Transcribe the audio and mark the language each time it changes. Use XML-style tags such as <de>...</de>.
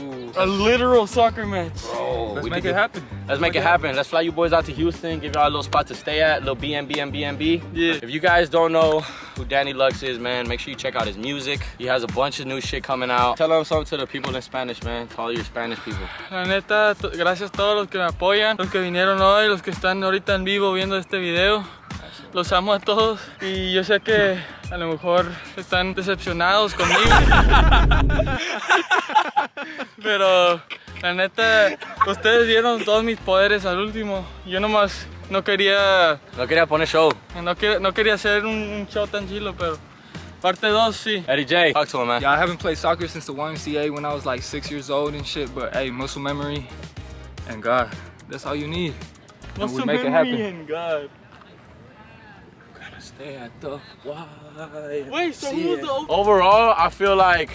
<en>Ooh. A literal soccer match. Bro, let's make it happen. Let's make it happen. Let's fly you boys out to Houston, give y'all a little spot to stay at, a little B&B. Yeah. If you guys don't know who Danny Lux is, man, make sure you check out his music. He has a bunch of new shit coming out. Tell him something to the people in Spanish, man, to all your Spanish people.</en> <es>La neta, gracias a todos los que me apoyan, los que vinieron hoy, los que están ahorita en vivo viendo este video. Los amo a todos y yo sé que a lo mejor están decepcionados conmigo. Pero la neta, ustedes vieron todos mis poderes al último. Yo nomás no quería poner show. No quería hacer un show tan chilo, pero parte 2 sí.</es> <en>Eddy J, talk to him, man. Yeah, I haven't played soccer since the YMCA when I was like 6 years old and shit, but hey, muscle memory and God, that's all you need. Muscle and make memory it and God. Stay at the Y. Wait, so see who's it. The overall, I feel like</en>